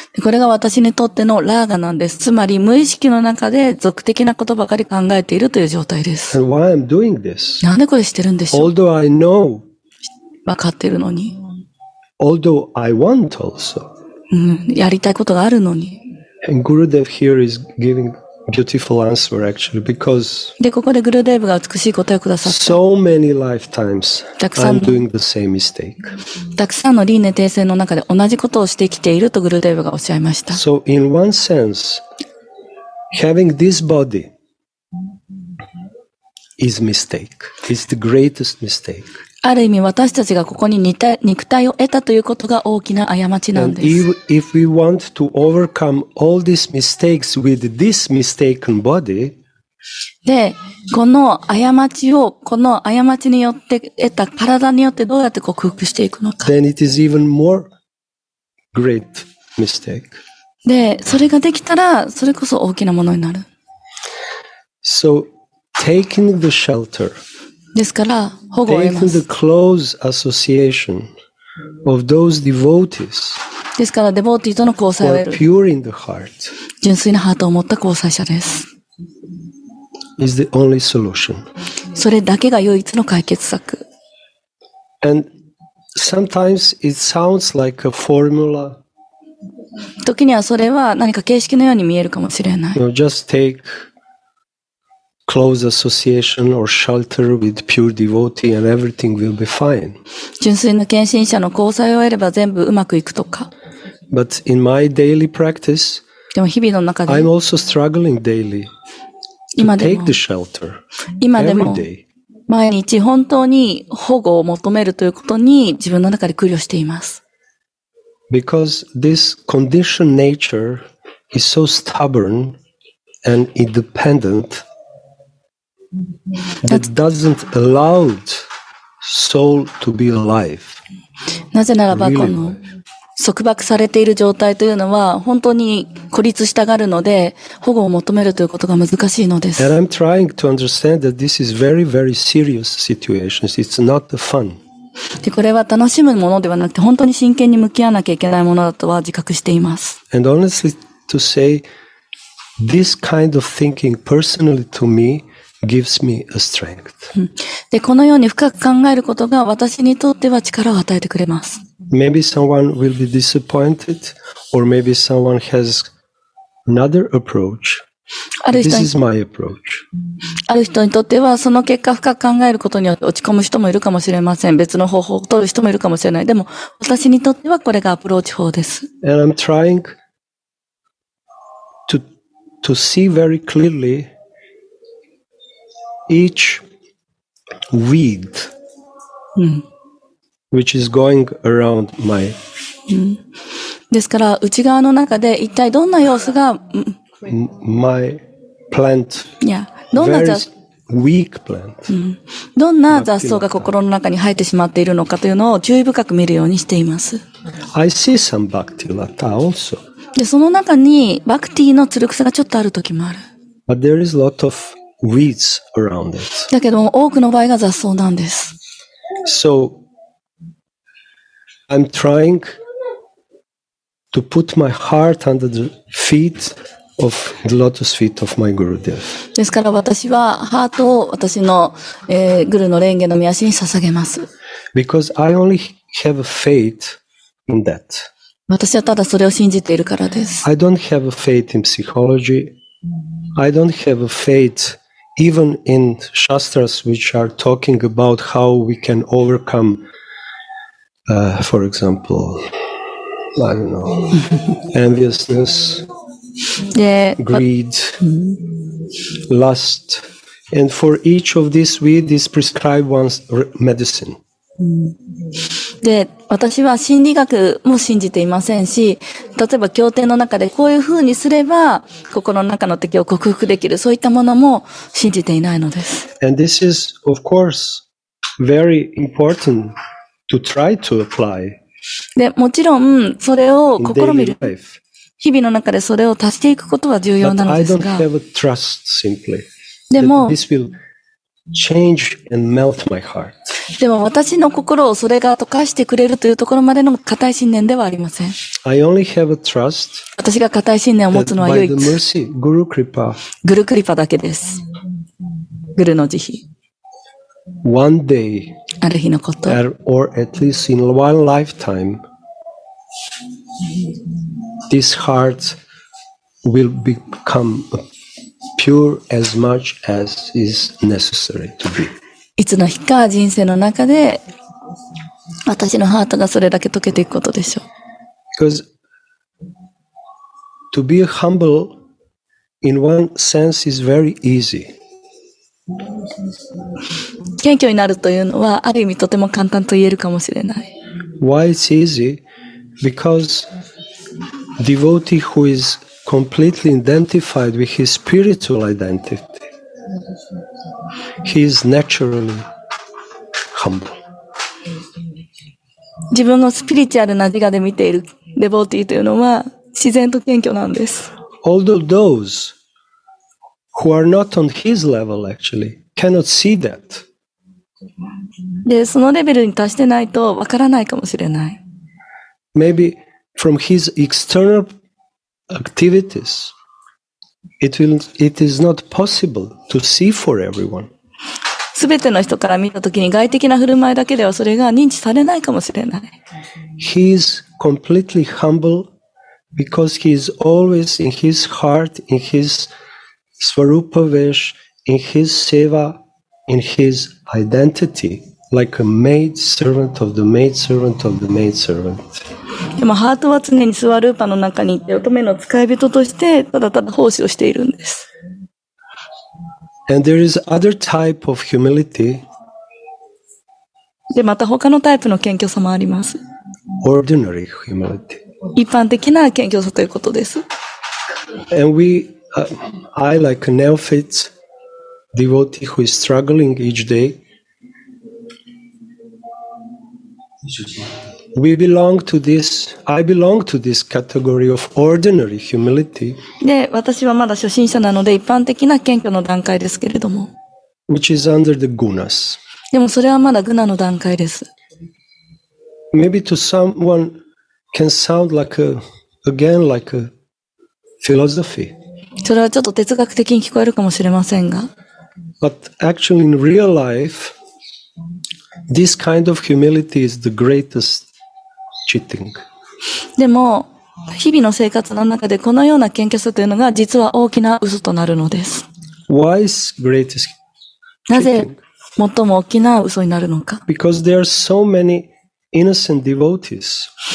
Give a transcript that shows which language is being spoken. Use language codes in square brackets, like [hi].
[ja] これが私にとってのラーガなんです。つまり無意識の中で俗的なことばかり考えているという状態です。 [en] And why I'm doing this? [ja] なんでこれしてるんでしょう。 [en] Although I know. [ja] わかってるのに。 [en] Although I want also. [ja] やりたいことがあるのに。 [en] And Gurudev here is giving beautiful answer actually because. [ja] で、ここでグルデーブが美しい答えをくださった。 [en] So many lifetimes. [ja] たくさん。 [en] I'm doing the same mistake. [ja] たくさんの輪廻転生の中で同じことをしてきているとグルデーブがおっしゃいました。 [en] So in one sense, having this body is mistake. It's the greatest mistake. [ja] ある意味私たちがここに肉体を得たということが大きな過ちなんです。 [en] If we want to overcome all these mistakes with this mistaken body, [ja] で、この過ちを、この過ちによって得た体によってどうやって克服していくのか。 [en] Then it is even more great mistake. [ja] で、それができたら、それこそ大きなものになる。 [en] So, taking the shelter, [ja] ですから保護を得ます。 [en] Taking the close association of those devotees. [ja] ですからデボーティーとの交際を得る。 [en] Who are pure in the heart. [ja] 純粋なハートを持った交際者です。 [en] Is the only solution. [ja] それだけが唯一の解決策。 [en] And sometimes it sounds like a formula. [ja] 時にはそれは何か形式のように見えるかもしれない。 [en] You know, just take. Close association or shelter with pure devotee and everything will be fine. [ja] 純粋な献身者の交際を得れば全部うまくいくとか。 [en] But in my daily practice, [ja] でも日々の中で、 [en] I'm also struggling daily to take the shelter every day. [ja] 毎日本当に保護を求めるということに自分の中で苦慮しています。 [en] Because this conditioned nature is so stubborn and independent. That doesn't allow soul to be alive. [ja] なぜならばこの束縛されている状態というのは本当に孤立したがるので保護を求めるということが難しいのです。 [en] And I'm trying to understand that this is very, very serious situation. It's not the fun. [ja] でこれは楽しむものではなくて本当に真剣に向き合わなきゃいけないものだとは自覚しています。 [en] And honestly to say, this kind of thinking personally to me. Gives me a strength. [ja] で、このように深く考えることが私にとっては力を与えてくれます。 [en] Maybe someone will be disappointed, or maybe someone has another approach. This is my approach. [ja] ある人にとってはその結果深く考えることによって落ち込む人もいるかもしれません。別の方法を取る人もいるかもしれない。でも私にとってはこれがアプローチ法です。 [en] And I'm trying to see very clearly. Each weed which is going around my [ja] ですから内側の中で一体どんな様子が [en] my plant [ja] どんな [en] weak plant [ja] どんな雑草が心の中に生えてしまっているのかというのを注意深く見るようにしています [en] I see some bhakti lata also [ja] でその中にバクティのつる草がちょっとある時もある [en] but there is lot of weeds around it [ja] だけども多くの場合が雑草なんです [en] so I'm trying to put my heart under the feet of the lotus feet of my guru dev [ja] ですから私はハートを私の、グルの蓮華の御足に捧げます [en] because I only have a faith in that [ja] 私はただそれを信じているからです。 [en] I don't have a faith in psychology. I don't have a faith even in shastras which are talking about how we can overcome, for example, I don't know, enviousness, greed, lust. And for each of these weeds is prescribed one's medicine. [ja] で私は心理学も信じていませんし例えば経典の中でこういう風にすれば心の中の敵を克服できるそういったものも信じていないのです [en] And this is, of course, very important to try to apply [ja] でもちろんそれを試みる日々の中でそれを足していくことは重要なのですが [en] But I don't have a trust simply [ja] でも [en] this will change and melt my heart [ja] でも私の心をそれが溶かしてくれるというところまでの固い信念ではありません。 [en] I only have a trust [ja] 私が固い信念を持つのは唯一。 [en] By the mercy, Guru Kripa, [ja] グルクリパだけです。グルの慈悲。 [en] One day, [ja] ある日のこと。 [en] Or at least in one lifetime, this heart will become pure as much as is necessary to be. [ja] いつの日か人生の中で私のハートがそれだけ溶けていくことでしょう。 [en] Because to be humble in one sense is very easy. [ja] 謙虚になるというのはある意味とても簡単と言えるかもしれない。 [en] Why it's easy? Because devotee who is completely identified with his spiritual identity. He is naturally humble. [ja] 自分のスピリチュアルな自我で見ているデボーティーというのは自然と謙虚なんです。 [en] Although those who are not on his level actually cannot see that. [ja] で、そのレベルに達してないとわからないかもしれない。 [en] Maybe from his external activities. It is not possible to see for everyone. [ja] 全ての人から見たときに外的な振る舞いだけではそれが認知されないかもしれない。 [en] He is completely humble because he is always in his heart, in his swarupa vesh, in his seva, in his identity, like a maid servant of the maid servant of the maid servant. [ja] でもハートは常にスワルーパの中にいて乙女の使い人としてただただ奉仕をしているんです。 [en] And there is other type of humility. [ja] でまた他のタイプの謙虚さもあります。 [en] Ordinary humility. [ja] 一般的な謙虚さということです。 [en] And we, I like a neophyte devotee who is struggling each day. We belong to this. I belong to this category of ordinary humility. [ja] で、私はまだ初心者なので一般的な謙虚の段階ですけれども。 [en] Which is under the gunas. [ja] でもそれはまだグナの段階です。 [en] Maybe to someone can sound like a philosophy. [ja] それはちょっと哲学的に聞こえるかもしれませんが。 [en] But actually in real life, this kind of humility is the greatest. [ja] でも日々の生活の中でこのような謙虚さというのが実は大きな嘘となるのです。 [en] Why is greatest cheating? [ja] なぜ最も大きな嘘になるのか [en] ?Because there are so many innocent devotees